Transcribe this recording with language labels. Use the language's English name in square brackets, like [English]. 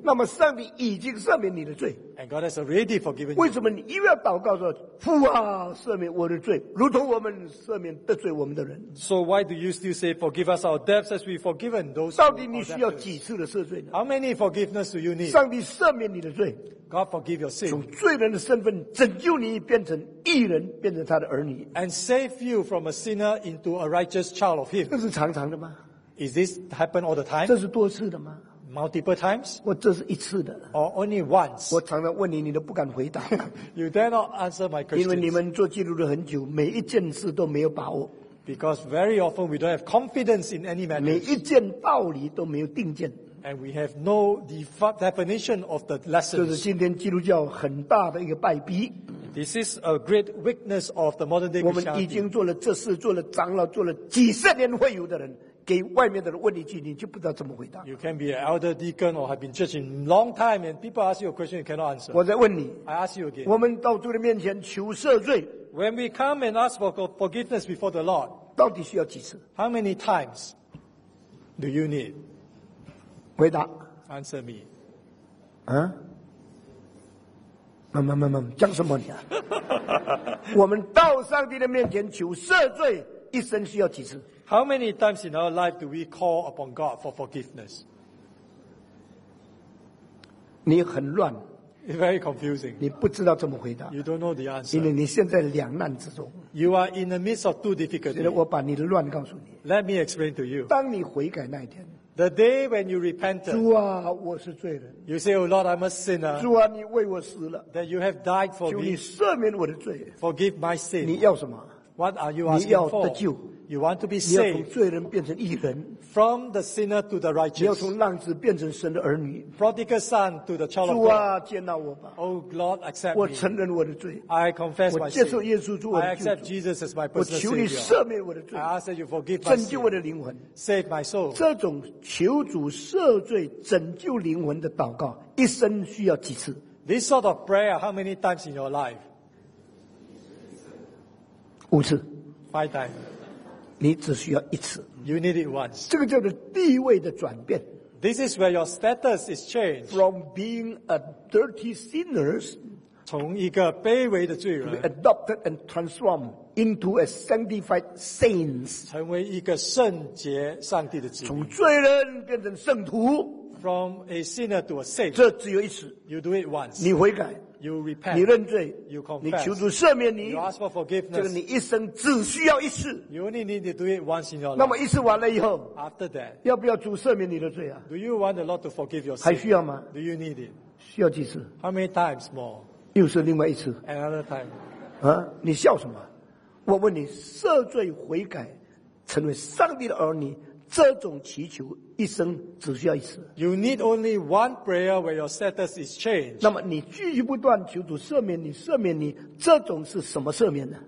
[Chinese] 那么上帝已经赦免你的罪。 [English] And God has already forgiven you. [Chinese] 为什么你又要祷告说，父啊，赦免我的罪，如同我们赦免得罪我们的人。 [English] So why do you still say, forgive us our debts as we've forgiven those? [Chinese] 到底你需要几次的赦罪呢？ [English] How many forgiveness do you need? [Chinese] 上帝赦免你的罪。 [English] God forgive your sin. [Chinese] 从罪人的身份拯救你，变成义人，变成他的儿女。 [English] And save you from a sinner into a righteous child of him. [Chinese] 这是常常的吗？ [English] Is this happen all the time? [Chinese] 这是多次的吗？ [English] Multiple times? [Chinese] 我这是一次的。 [English] Or only once? [Chinese] 我常常问你，你都不敢回答。 [English] You dare not answer my questions. [Chinese] 因为你们做基督徒很久，每一件事都没有把握。 [English] Because very often we don't have confidence in any matter. [Chinese] 每一件道理都没有定见。 [English] And we have no definition of the lessons. [Chinese] 这是今天基督教很大的一个败笔。 [English] This is a great weakness of the modern day Christianity. [Chinese] 我们已经做了这事，做了长老，做了几十年会友的人。给外面的人问一句，你就不知道怎么回答。 [English] You can be an elder deacon or have been church in a long time, and people ask you a question you cannot answer. [Chinese] 我在问你。 [English] I ask you again. [Chinese] 我们到主的面前求赦罪。 [English] When we come and ask for forgiveness before the Lord, [Chinese] 到底需要几次 [English] ？How many times do you need? [Chinese] 回答。 [English] Answer me. [Chinese] 啊？慢慢，讲什么你啊？我们到上帝的面前求赦罪，一生需要几次？ [English] How many times in our life do we call upon God for forgiveness? [Chinese] 你很乱 [English] It's very confusing. [Chinese] 你不知道怎么回答 [English] You don't know the answer. [Chinese] 因为你现在两难之中 [English] You are in the midst of two difficulties. [Chinese] 所以我把你的乱告诉你 [English] Let me explain to you. [Chinese] 当你悔改那一天 [English] The day when you repented. [Chinese] 主啊，我是罪人 [English] You say, Oh Lord, I'm a sinner. [Chinese] 主啊，你为我死了 [English] That you have died for me. [Chinese] 求你赦免我的罪 [English] Forgive my sin. [Chinese] 你要什么 [English] What are you asking for? [Chinese] 你要得救 [English] You want to be saved. [Chinese] 你要从罪人变成义人。 [English] From the sinner to the righteous. [Chinese] 你要从浪子变成神的儿女。 [English] Prodigal son to the child of God. [Chinese] 主啊，接纳我吧。 [English] Oh Lord, accept me. [Chinese] 我承认我的罪。 [English] I confess my sin. [Chinese] 我接受耶稣做我的救主。 [English] I accept Jesus as my personal savior. [Chinese] 我求你赦免我的罪。 [English] I ask that you forgive my sin. [Chinese] 拯救我的灵魂。 [English] Save my soul. [Chinese] 这种求主赦罪、拯救灵魂的祷告，一生需要几次 [English] ？This sort of prayer, how many times in your life? [Chinese] 五次。 [English] Five times. [Chinese] 你只需要一次。 [English] You need it once. [Chinese] 这个叫做地位的转变。 [English] This is where your status is changed. From being a dirty sinner, [Chinese] 从一个卑微的罪人 [English] to be adopted and transformed into a sanctified saints. [Chinese] 成为一个圣洁上帝的子民。从罪人变成圣徒。 [English] From a sinner to a saint. [Chinese] 这只有一次。 [English] You do it once. [Chinese] 你悔改。 [English] You repent, [Chinese] 你认罪 [English] you confess, [Chinese] 你求主赦免你 [English] you ask for forgiveness, [Chinese] 这个你一生只需要一次 [English] you only need to do it once in your life. [Chinese] 那么一次完了以后 [English] After that, [Chinese] 要不要主赦免你的罪啊 [English] Do you want the Lord to forgive your sin? [Chinese] 还需要吗 [English] Do you need it? [Chinese] 需要几次 [English] How many times more? [Chinese] 又是另外一次 [English] Another time、 [Chinese] 啊、你笑什么我问你赦罪悔改成为上帝的儿女这种祈求一生只需要一次。 [English] You need only one prayer where your status is changed. [Chinese] 那么你继续不断求主赦免你，赦免你，这种是什么赦免呢